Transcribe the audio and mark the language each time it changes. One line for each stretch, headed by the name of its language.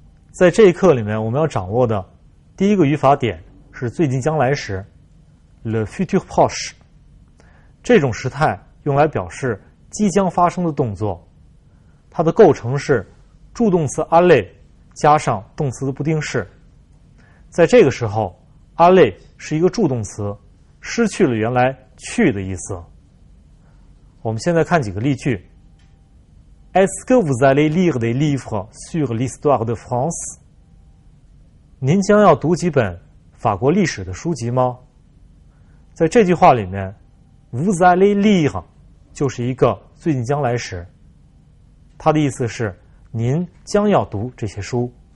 Chinese: 在这一课里面我们要掌握的第一个语法点是最近将来时Le futur proche， 这种时态用来表示即将发生的动作，它的构成是助动词 aller 加上动词的不定式。在这个时候 aller 是一个助动词，失去了原来去的意思。我们现在看几个例句。
French: Est-ce que vous allez lire des livres sur l'histoire de France？
Chinese: 您将要读几本法国历史的书籍吗？在这句话里面 ，
French: vous allez lire
Chinese: 就是一个最近将来时，它的意思是您将要读这些书。